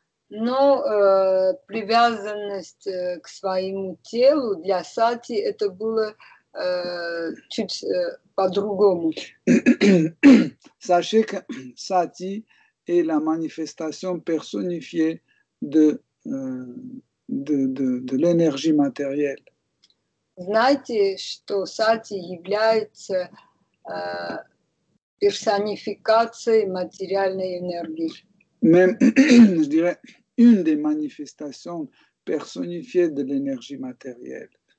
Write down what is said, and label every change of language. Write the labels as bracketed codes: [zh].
[ru] Но привязанность к своему телу для Сати это было чуть по-другому. [fr] Sachez que Сати est la manifestation personnifiée de l'énergie matérielle. [ru] Знаете, что Сати является персонификацией материальной энергии. [fr] Même, je dirais, une des manifestations personnifiées de l'énergie matérielle.